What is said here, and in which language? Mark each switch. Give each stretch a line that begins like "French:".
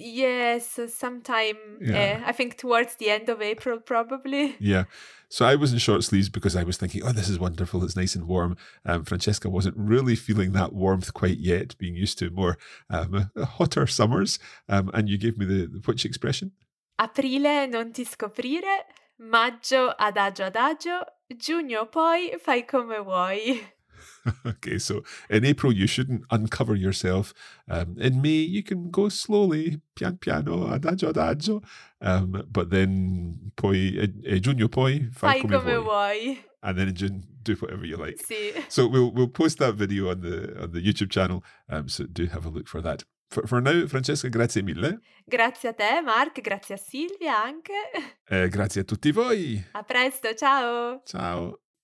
English: Yes, sometime, I think towards the end of April, probably. Yeah, so I was in short sleeves because I was thinking, oh, this is wonderful, it's nice and warm. Francesca wasn't really feeling that warmth quite yet, being used to more hotter summers, and you gave me which expression?
Italian: Aprile non ti scoprire, maggio adagio adagio. Giugno poi fai come vuoi.
English: Okay, so in April you shouldn't uncover yourself. In May you can go slowly,
Italian: pian piano, adagio adagio.
English: But then
Italian: poi, giugno poi fai come vuoi.
English: And then in June do whatever you like.
Italian: Sì.
English: So we'll post that video on the YouTube channel. So do have a look for that. For now, Francesca,
Italian: grazie mille. Grazie a te, Mark. Grazie a Silvia anche. Grazie a tutti voi. A presto, ciao. Ciao.